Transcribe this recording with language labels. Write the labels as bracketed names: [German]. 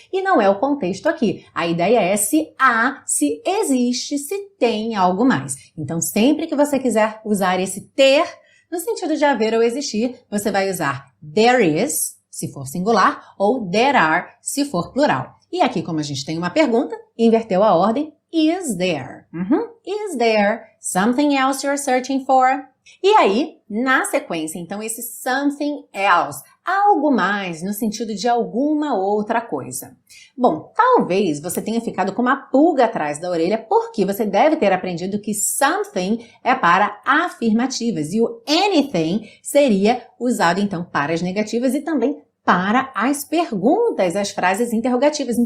[Portuguese] E não é o contexto aqui. A ideia é se há, se existe, se tem algo mais. Então, sempre que você quiser usar esse ter, no sentido de haver ou existir, você vai usar there is, se for singular, ou there are, se for plural. E aqui, como a gente tem uma pergunta, inverteu a ordem, is there? [English] Is there something else you're searching for? [Portuguese] E aí, na sequência, então, esse something else, algo mais no sentido de alguma outra coisa. Bom, talvez você tenha ficado com uma pulga atrás da orelha porque você deve ter aprendido que something é para afirmativas e o anything seria usado, então, para as negativas e também para as perguntas, as frases interrogativas.